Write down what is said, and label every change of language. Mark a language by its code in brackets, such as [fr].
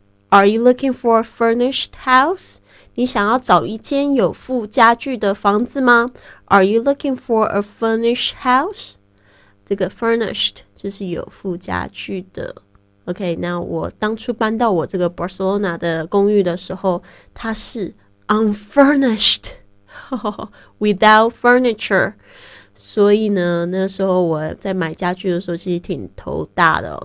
[en] Are you looking for a furnished house? [zh] 你想要找一间有附家具的房子吗？ [en] Are you looking for a furnished house? [zh] 这个 furnished 就是有附家具的。OK， 那我当初搬到我这个 Barcelona 的公寓的时候，它是 [en] Unfurnished, without furniture. [zh] 所以呢，那时候我在买家具的时候其实挺头大的哦。